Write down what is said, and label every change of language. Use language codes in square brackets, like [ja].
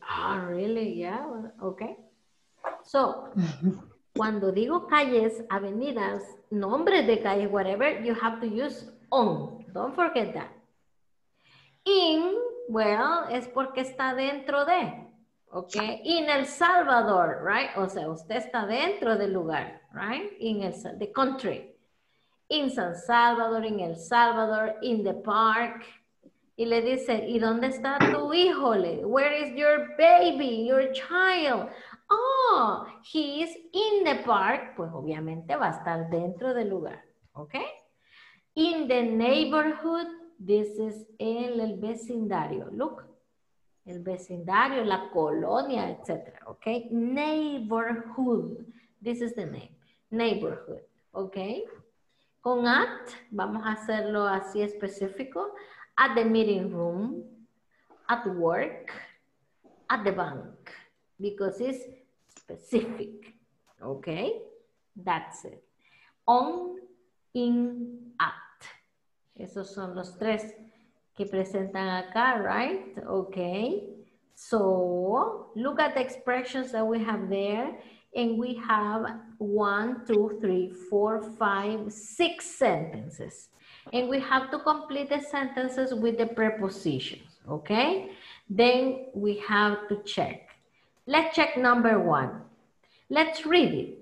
[en] Ah, oh, really? Yeah, okay. So, [es] cuando digo calles, avenidas, nombres de calles, [en] whatever, you have to use on. Don't forget that. In, well, [es] es porque está dentro de, ¿ok? [en] In El Salvador, right? [es] O sea, usted está dentro del lugar, right? [en] In the country. In San Salvador, in El Salvador, in the park, [es] Y le dice, ¿y dónde está tu hijo? [en] Where is your baby, your child? Oh, he is in the park. [es] Pues obviamente va a estar dentro del lugar, ¿ok? [en] In the neighborhood, this is [es] el vecindario. Look, el vecindario, la colonia, etc. ¿Ok? [en] Neighborhood, this is the name. Neighborhood, ¿ok? [es] Con at, vamos a hacerlo así específico. [en] At the meeting room, at work, at the bank, because it's specific, okay? That's it. On, in, at. [es] Esos son los tres que presentan acá, right? [en] Okay. So, look at the expressions that we have there, and we have 1, 2, 3, 4, 5, 6 sentences. And we have to complete the sentences with the prepositions, okay? Then we have to check. Let's check number one. Let's read it.